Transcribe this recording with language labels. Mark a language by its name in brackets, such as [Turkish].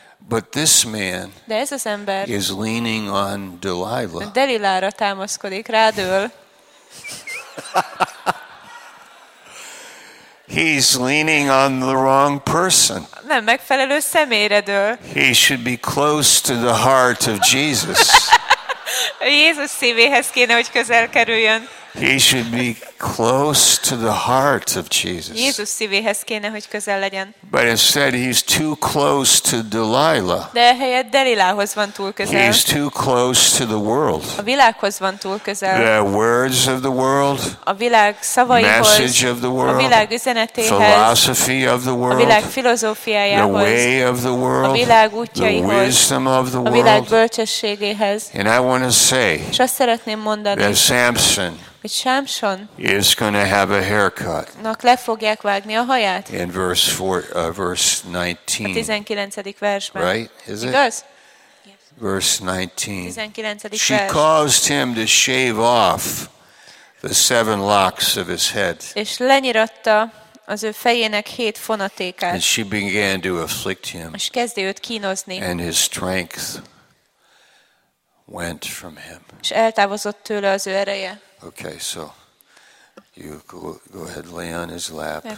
[English] But this man, [Hungarian] de ez az ember, [English] is leaning on Delilah. [Hungarian] Delilára támaszkodik, rádől. [English] He's leaning on the wrong person. [Hungarian] Nem megfelelő személyre dől. [English] He should be close to the heart of Jesus. [Hungarian] Jézus szívéhez kéne, hogy közel kerüljön. [English] He should be close to the heart of Jesus. [Hungarian] Jézus szívéhez kéne, hogy közel legyen. [English] But instead he's too close to Delilah. [Hungarian] De helyett Delilához van túl közel. [English] He's too close to the world. [Hungarian] A világhoz van túl közel. [English] The words of the world. [Hungarian] A világ szavaihoz. [English] Message of the world. [Hungarian] A világ üzenetéhez. [English] Philosophy of the world. [Hungarian] A világ filozófiájához. [English] The way of the world. [Hungarian] A világ útjaihoz. [English] The wisdom of the world. [Hungarian] A világ bölcsességéhez. [English] And I want to say. [Hungarian] És azt szeretném mondani. [English] That Samson. [Hungarian] Hogy Sámson [English] is going to have a haircut. [Hungarian] Nak le fogják vágni a haját. [English] In verse 4, verse 19. [Hungarian] A 19. versben. [English] Right, is it? [Hungarian] Igaz? [English] Verse 19. [Hungarian] 19. [English] She caused him to shave off the 7 locks of his head. [Hungarian] És lenyiratta az ő fejének 7 fonatékát. [English] And she began to afflict him. [Hungarian] És kezdte őt kínozni. [English] And his strength went from him. [Hungarian] És eltávozott tőle az ő ereje. [English] Okay, so you go ahead, lay on his lap.